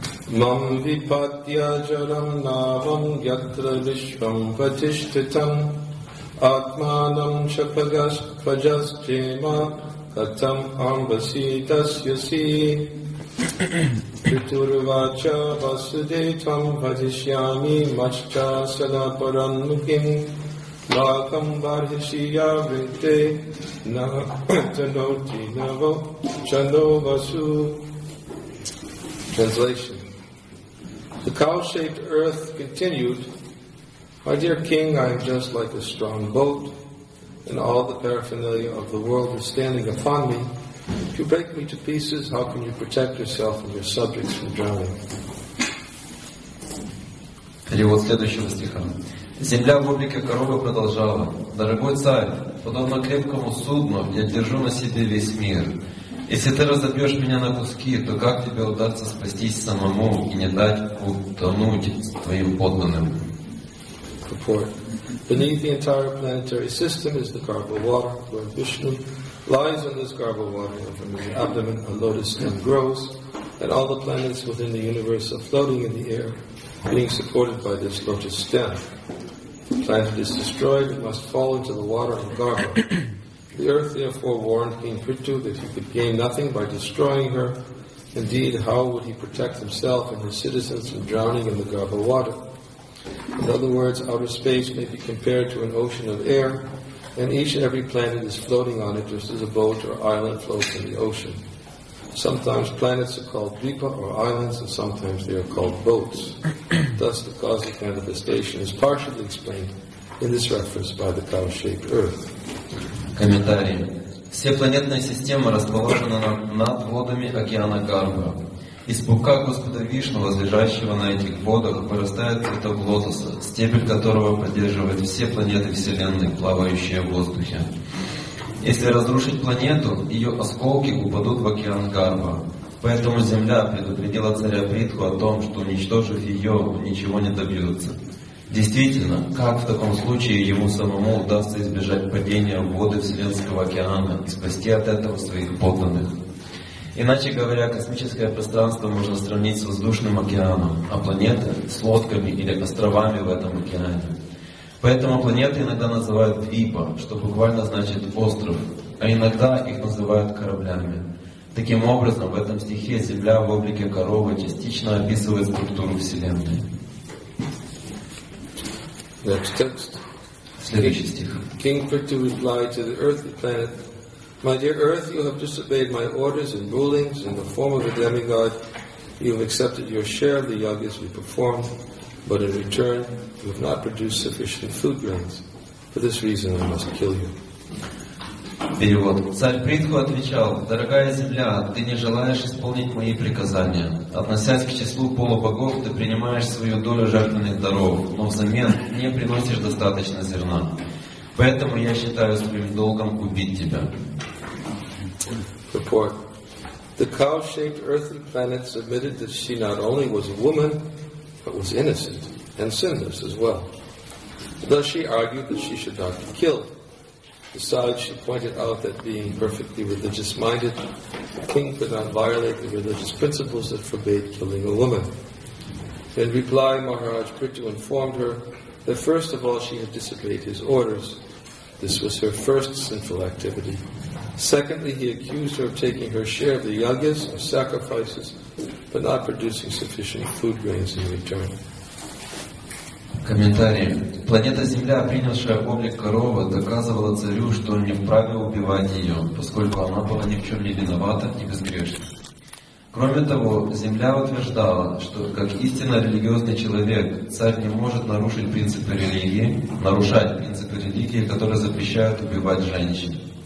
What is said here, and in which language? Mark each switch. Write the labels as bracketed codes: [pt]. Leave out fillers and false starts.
[sa] Мам випатья джарам навам ятра вишвам ватиштитам Атманам чапагаш паджас джема Катам амбаси тасьяси Питурвача васудетам ватишьями Мачча садапарам мухим Лакам бархиши я вритте На тануте наво чано васу. [en] Translation. The cow-shaped earth continued, My dear king, I am just like a strong boat, and all the paraphernalia of the world is standing upon me. If you break me to pieces, how can you protect yourself and your subjects from drowning? [ru] Перевод следующего стиха. Земля в облике коровы продолжала. Дорогой царь, подобно крепкому судну, я держу на себе весь мир. Если ты разобьешь меня на куски, то как тебе удастся спастись самому и не дать утонуть твоим подданным? [en] Report. Beneath the entire planetary system is the Garbha water, where Vishnu lies in this Garbha water, and from his abdomen a lotus stem grows, and all the planets within the universe are floating in the air, being supported by this lotus stem. The planet is destroyed, it must fall into the water of Garbha. The earth therefore warned King Prithu that he could gain nothing by destroying her. Indeed, how would he protect himself and his citizens from drowning in the Garbha water? In other words, outer space may be compared to an ocean of air, and each and every planet is floating on it just as a boat or island floats in the ocean. Sometimes planets are called dvipa or islands, and sometimes they are called boats. Thus, the cause of manifestation is partially explained in this reference by the cow-shaped earth. [ru] Комментарий. Вся планетная система расположена над водами океана Гарбха. Из пупка Господа Вишну, возлежащего на этих водах, вырастает цветок лотоса, стебель которого поддерживает все планеты Вселенной, плавающие в воздухе. Если разрушить планету, ее осколки упадут в океан Гарбха. Поэтому Земля предупредила царя Притху о том, что, уничтожив ее, ничего не добьется. Действительно, как в таком случае ему самому удастся избежать падения в воды Вселенского океана и спасти от этого своих подданных? Иначе говоря, космическое пространство можно сравнить с воздушным океаном, а планеты — с лодками или островами в этом океане. Поэтому планеты иногда называют двипа, что буквально значит «остров», а иногда их называют кораблями. Таким образом, в этом стихе Земля в облике коровы частично описывает структуру Вселенной. [en] Next text. [ru] Следующий стих. [en] King Prithu replied to the earthly planet, "My dear Earth, you have disobeyed my orders and rulings in the form of a demigod. You have accepted your share of the yagyas we perform, but in return, you have not produced sufficient food grains. For this reason, I must kill you." [ru] Перевод. Царь Притху отвечал: «Дорогая земля, ты не желаешь исполнить мои приказания. Относясь к числу полубогов, ты принимаешь свою долю жертвенных даров, но взамен не приносишь достаточно зерна. Поэтому я считаю своим долгом убить тебя». [en] Report. The cow-shaped earthly planet submitted that she not only was a woman, but was innocent and sinless as well. Thus she argued that she should not be killed. Besides, she pointed out that being perfectly religious-minded, the king could not violate the religious principles that forbade killing a woman. In reply, Maharaj Prithu informed her that first of all she had disobeyed his orders. This was her first sinful activity. Secondly, he accused her of taking her share of the yagyas, or sacrifices, but not producing sufficient food grains in return. [ru] Комментарии. Планета Земля, принявшая облик коровы, доказывала царю, что он не вправе убивать ее, поскольку она была ни в чем не виновата и безгрешна. Кроме того, Земля утверждала, что как истинно религиозный человек, царь не может нарушать принципы религии, которые запрещают убивать женщин.